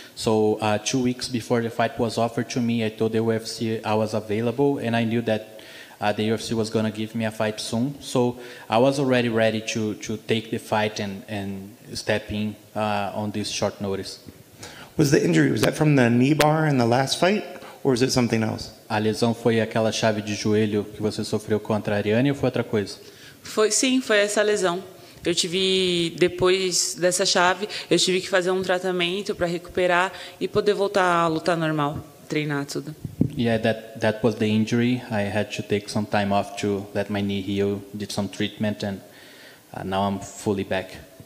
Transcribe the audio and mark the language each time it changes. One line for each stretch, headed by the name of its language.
English: So 2 weeks before the fight was offered to me, I told the UFC I was available and I knew that the UFC was going to give me a fight soon. So I was already ready to take the fight and step in on this short notice. Was the injury, was that from the knee bar in the last fight? Or is it something else?
Portuguese: A lesão foi aquela chave de joelho que você sofreu contra a Ariane ou foi outra coisa? Foi essa lesão. Eu tive, depois dessa chave, eu tive que fazer um tratamento para recuperar e poder voltar a lutar normal, treinar tudo.
English: Yeah, that was the injury. I had to take some time off to let my knee heal, did some treatment and now I'm fully back.